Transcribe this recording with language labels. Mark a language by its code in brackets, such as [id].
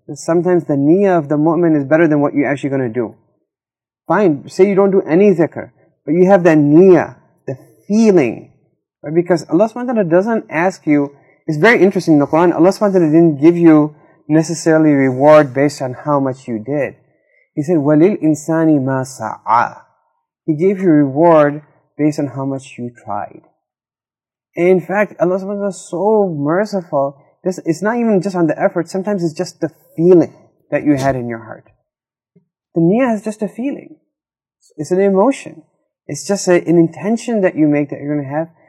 [en] Sometimes the niyyah of the mu'min is better than what you're actually going to do. Fine, say you don't do any zikr, but you have that niyyah, the feeling. Right? Because Allah subhanahu wa ta'ala doesn't ask you, it's very interesting in the Quran, Allah subhanahu wa ta'ala didn't give you necessarily reward based on how much you did. He said, [ar] وَلِلْ إِنسَانِ مَا سَعَى. [en] He gave you reward based on how much you tried. And in fact, Allah subhanahu wa ta'ala is so merciful. This, it's not even just on the effort, sometimes it's just the feeling that you had in your heart. The niyyah is just a feeling. It's an emotion. It's just an intention that you make that you're going to have.